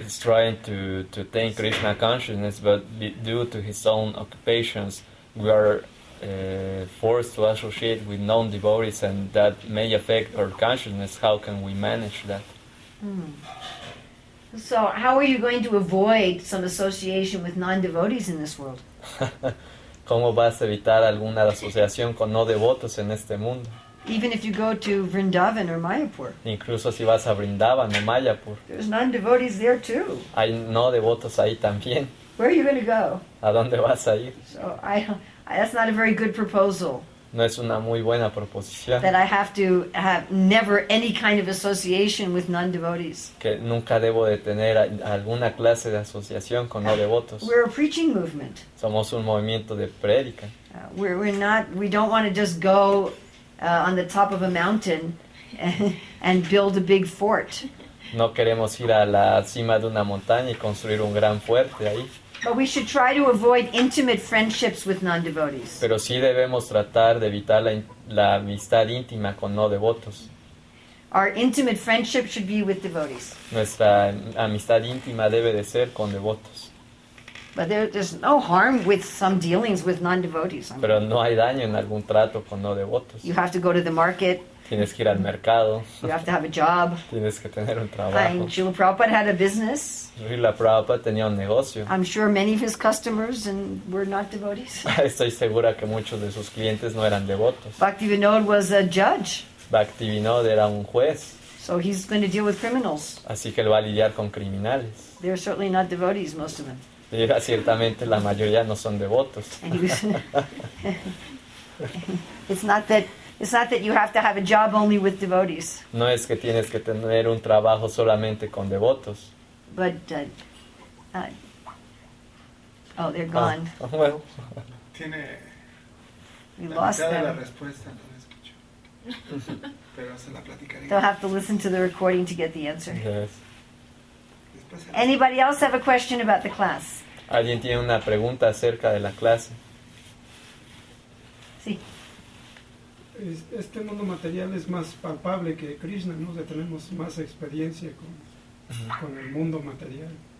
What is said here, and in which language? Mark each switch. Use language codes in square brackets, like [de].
[en] If one is trying to attain Krishna consciousness, but due to his own occupations, we are forced to associate with non-devotees, and that may affect our consciousness, how can we manage that? So, how are you going to avoid some association with non-devotees in this world? [es] ¿Cómo vas a evitar alguna asociación con no devotos en este mundo? [en] Even if you go to Vrindavan or Mayapur. [es] Incluso si vas a Vrindavan o Mayapur. [en] There's non-devotees there too. [es] Hay no devotos ahí también. [en] Where are you going to go? [es] ¿A dónde vas a ir? [en] So, that's not a very good proposal. [es] No es una muy buena proposición. [en] That I have to have never any kind of association with non-devotees. [es] Que nunca debo de tener alguna clase de asociación con no devotos. [en] We're a preaching movement. [es] Somos un movimiento de prédica. [en] We don't want to just go on the top of a mountain and build a big fort. [es] No queremos ir a la cima de una montaña y construir un gran fuerte ahí. [en] But we should try to avoid intimate friendships with non-devotees. [es] Pero sí debemos tratar de evitar la amistad íntima con no devotos. [en] Our intimate friendship should be with devotees. [es] Nuestra amistad íntima debe de ser con devotos. [en] But there's no harm with some dealings with non-devotees. [es] Pero no hay daño en algún trato con no devotos. [en] You have to go to the market. [es] Tienes que ir al mercado. [en] You have to have a job. [es] Tienes que tener un trabajo. [en] Srila Prabhupada had a business. [es] Srila Prabhupada tenía un negocio. [en] I'm sure many of his customers and were not devotees. [es] Estoy segura que muchos de sus clientes no eran devotos. [en] Bhaktivinoda was a judge. [es] Bhaktivinoda era un juez. [en] So he's going to deal with criminals. [es] Así que él va a lidiar con criminales. [en] They're certainly not devotees, most of them. [es] Y ciertamente la mayoría no son devotos. [en] It's not that you have to have a job only with devotees. [es] No es que tienes que tener un trabajo solamente con devotos. [en] But, they're gone. Well. [es] Tiene [en] we lost them. [es] La respuesta, no la escucho. Pero se la platicaré. [en] They'll have to listen to the recording to get the answer. Yes. Anybody else have a question about the class? [es] ¿Alguien tiene una pregunta acerca de la clase? Sí. Este mundo material es más palpable que Krishna, ¿no? O sea, tenemos más experiencia con el mundo material.